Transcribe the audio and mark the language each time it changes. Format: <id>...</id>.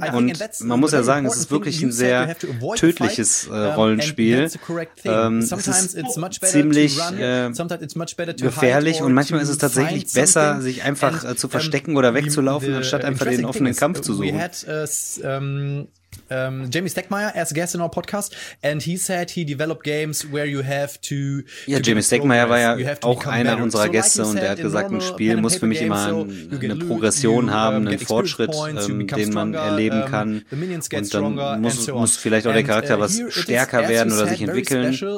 <de>Und man muss ja sagen, es ist wirklich ein sehr tödliches Rollenspiel. Es ist ziemlich gefährlich und manchmal ist es tatsächlich besser, sich einfach zu verstecken oder wegzulaufen, anstatt einfach den offenen Kampf zu suchen.</de> <en>Jamie Steckmeier as a guest in our podcast and he said he developed games where you have to...</en> <de>Ja, Jamie Steckmeier war ja auch einer unserer Gäste und er hat gesagt, ein Spiel muss für mich immer eine Progression haben, einen Fortschritt, den man erleben kann und dann muss vielleicht auch der Charakter was stärker werden oder sich entwickeln.</de>